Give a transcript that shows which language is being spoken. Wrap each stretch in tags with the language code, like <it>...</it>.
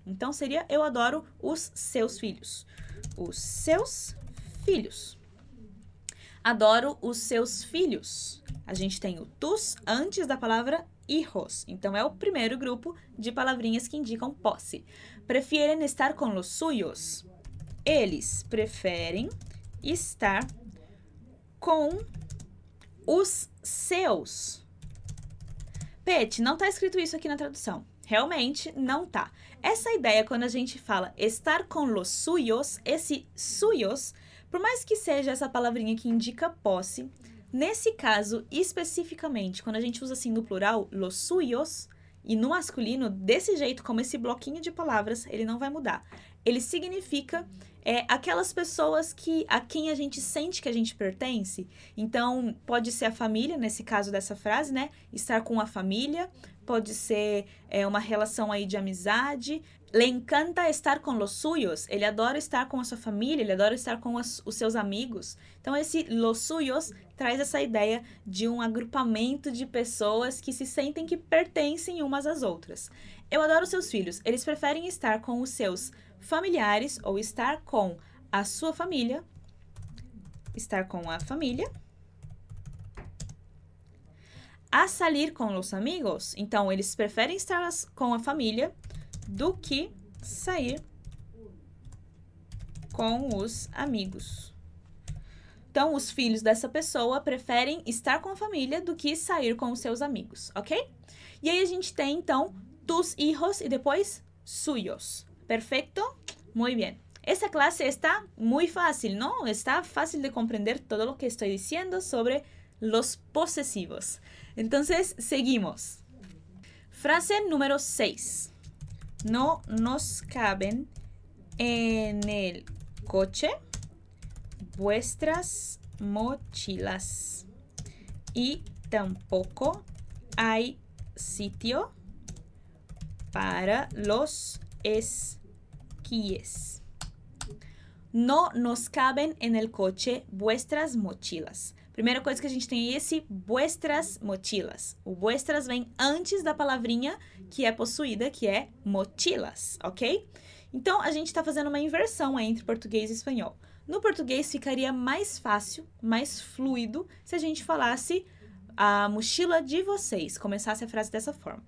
<pt>Então, seria eu adoro os seus filhos. Os seus filhos. Adoro os seus filhos. A gente tem o tus antes da palavra hijos. Então, é o primeiro grupo de palavrinhas que indicam posse.</pt> <es>Prefieren estar con los suyos.</es> <pt>Eles preferem estar com os seus. Pet, não está escrito isso aqui na tradução. Realmente, não está. Essa ideia, quando a gente fala estar com los suyos, esse suyos, por mais que seja essa palavrinha que indica posse, nesse caso, especificamente, quando a gente usa assim no plural, los suyos, e no masculino, desse jeito, como esse bloquinho de palavras, ele não vai mudar. Ele significa aquelas pessoas que, a quem a gente sente que a gente pertence. Então, pode ser a família, nesse caso dessa frase, né? Estar com a família, pode ser uma relação aí de amizade.</pt> <es>Le encanta estar con los suyos.</es> <pt>Ele adora estar com a sua família, ele adora estar com os seus amigos. Então, esse los suyos traz essa ideia de um agrupamento de pessoas que se sentem que pertencem umas às outras. Eu adoro seus filhos. Eles preferem estar com os seus familiares ou estar com a sua família estar com a família. A salir com os amigos. Então, eles preferem estar com a família do que sair com os amigos. Então, os filhos dessa pessoa preferem estar com a família do que sair com os seus amigos, ok? E aí a gente tem, então, tus hijos e depois suyos. Perfeito?</pt> <es>Muy bien. Esta clase está muy fácil, ¿no? Está fácil de comprender todo lo que estoy diciendo sobre los posesivos. Entonces, seguimos. Frase número 6. No nos caben en el coche vuestras mochilas. Y tampoco hay sitio para los esquíes. No nos caben en el coche vuestras mochilas.</es> <pt>Primeira coisa que a gente tem é esse vuestras mochilas. O vuestras vem antes da palavrinha que é possuída, que é mochilas, ok? Então, a gente está fazendo uma inversão entre português e espanhol. No português, ficaria mais fácil, mais fluido, se a gente falasse a mochila de vocês, começasse a frase dessa forma.</pt>